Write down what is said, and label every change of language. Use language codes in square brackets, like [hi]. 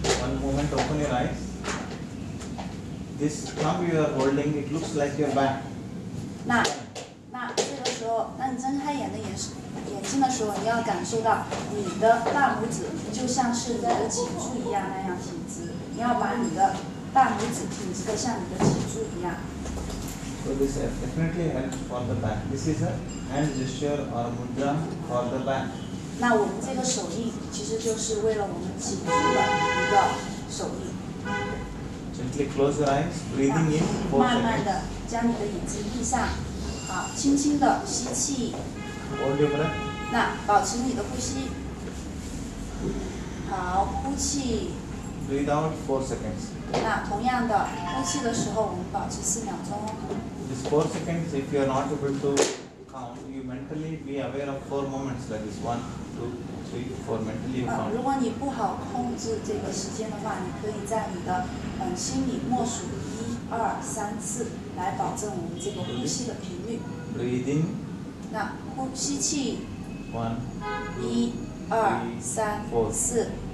[en] One moment, open your eyes. This thumb you are holding, it looks like your back. [zh] 那这个时候，那你睁开眼睛的时候，你要感受到你的大拇指就像是你的颈椎一样那样挺直。你要把你的大拇指挺直的像你的颈椎一样。 [en] So this definitely helps for the back. This is a hand gesture or mudra for the back. [zh] 那我们这个手印其实就是为了我们颈椎的一个手印。 [en] Gently close your eyes, breathing in. [zh] 慢慢的将你的眼睛闭上，好，轻轻的吸气。 [en] Hold your breath. [zh] 那保持你的呼吸。好，呼气。 [en] Breathe out 4 seconds. [zh] 那同样的，呼气的时候我们保持四秒钟。 [en] This 4 seconds, if you are not able to. You mentally be aware of 4 moments like this 1, 2, 3, 4 mentally you count. [zh] 如果你不好控制这个时间的话，你可以在你的心里默数1、2、3次，来保证我们这个呼吸的频率。 [en] Breathing. [zh] 那呼吸气。 [en] One. [zh] 一二三四。